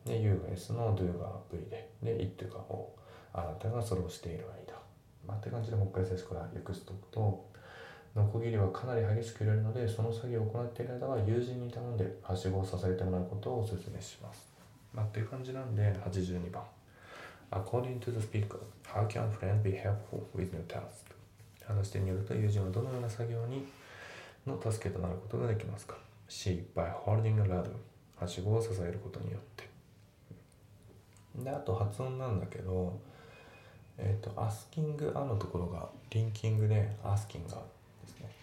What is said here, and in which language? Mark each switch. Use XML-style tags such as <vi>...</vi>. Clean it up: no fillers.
<ja>で、U が S の Do が V で。で、It が O。あなたがそれをしている間。まあ、って感じでもう一回最初から訳しておくと、ノコギリはかなり激しく揺れるので、その作業を行っている間は友人に頼んで、はしごを支えてもらうことをお勧めします。まあ、っていう感じなんで、82番。</ja> <en>According to the speaker, how can a friend be helpful with new task?</en> <ja>話してによると、友人はどのような作業にの助けとなることができますか？</ja> <en>C, by holding a ladder.</en> <ja>はしごを支えることによって。で、あと発音なんだけど、asking a のところが、リンキングで asking a ですね。</ja>